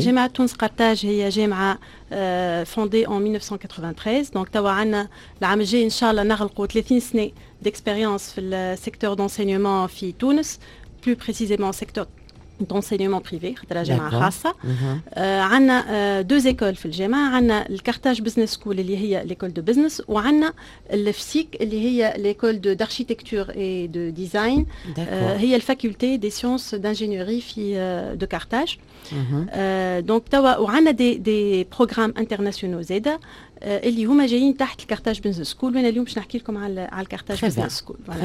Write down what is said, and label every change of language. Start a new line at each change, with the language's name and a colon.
Arabic: جامعة تونس قرطاج هي جامعة فوندي ان 1993، دونك توا عندنا العام الجاي ان شاء الله نغلقوا 30 سنة دكسبيريونس في السيكتور دونسينيومون في تونس،
French: بلو بريسيزيمون
Arabic: سيكتور
French: d'enseignement privé, c'est la jama khassa. On a deux écoles dans la jama, on a le Carthage Business School qui est l'école de business, et on a le FSIC qui est l'école de, d'architecture et de design, qui est la faculté des sciences d'ingénierie de Carthage. Donc on a des programmes internationaux Zeda
Arabic: اللي هما جايين تحت الكارتاج بزنس سكول، وانا اليوم باش نحكي لكم على الكارتاج بزنس سكول.